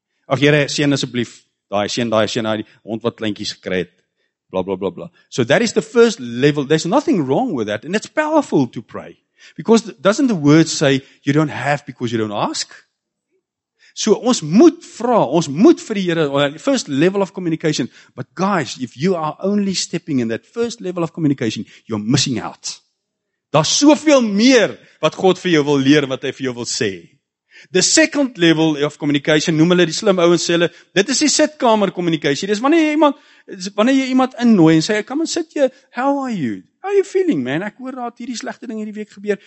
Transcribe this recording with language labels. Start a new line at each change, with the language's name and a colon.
Afrikaans: Ag Here, seën asseblief daai seën daai hond wat kleintjies gekry het.
English: Bla bla bla bla. So that is the first level. There's nothing wrong with that and it's powerful to pray. Because doesn't the word say you don't have because you don't ask?
Afrikaans: So ons moet vra, ons moet vir die Here,
English: first level of communication. But guys, if you are only stepping in that first level of communication, you're missing out.
Afrikaans: Daar's soveel meer wat God vir jou wil leer, wat hy vir jou wil sê.
English: The second level of communication,
Afrikaans: noem hulle die slim ouens sê hulle, dit is die sitkamer kommunikasie. Dis wanneer jy iemand innooi en sê,
English: "Come and sit here. How are you? How are you feeling, man?
Afrikaans: Ek hoor dat hierdie slegte ding hierdie week gebeur.